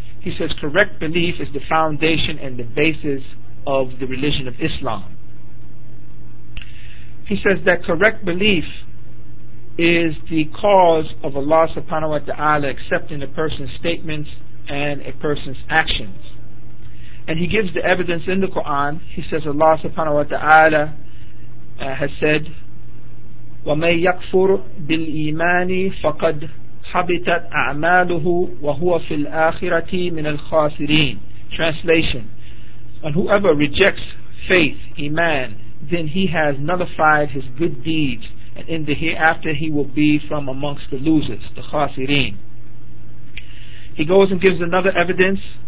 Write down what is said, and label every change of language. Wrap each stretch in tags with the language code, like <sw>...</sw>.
<en>He says, correct belief is the foundation and the basis of the religion of Islam. He says that correct belief is the cause of Allah subhanahu wa ta'ala accepting a person's statements and a person's actions. And he gives the evidence in the Quran. He says Allah subhanahu wa ta'ala has said,</en> <ar>وَمَنْ يَكْفُرْ بِالْإِيمَانِ فَقَدْ حَبِتَتْ أَعْمَالُهُ وَهُوَ فِي الْآخِرَةِ مِنَ الْخَاسِرِينَ.</ar> <en>Translation: and whoever rejects faith, iman, then he has nullified his good deeds, and in the hereafter he will be from amongst the losers, the khasirin. He goes and gives another evidence.</en>